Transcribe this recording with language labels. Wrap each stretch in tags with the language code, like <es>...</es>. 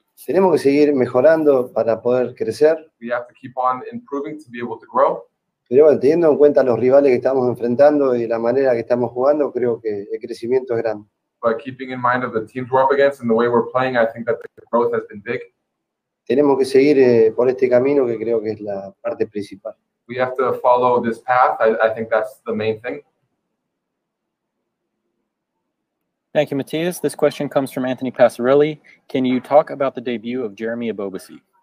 <es>Tenemos que seguir mejorando para poder crecer.</es> <en>We have to keep on improving to be able to grow.</en> <es>Pero bueno, teniendo en cuenta los rivales que estamos enfrentando y la manera que estamos jugando, creo que el crecimiento es grande.</es> <en>But keeping in mind of the teams we're up against and the way we're playing, I think that the growth has been big.</en> <es>Tenemos que seguir por este camino que creo que es la parte principal.</es> <en>We have to follow this path. I think that's the main thing. Thank you, Matias. This question comes from Anthony Passarelli. Can you talk about the debut of Jeremy Ebobisse?</en>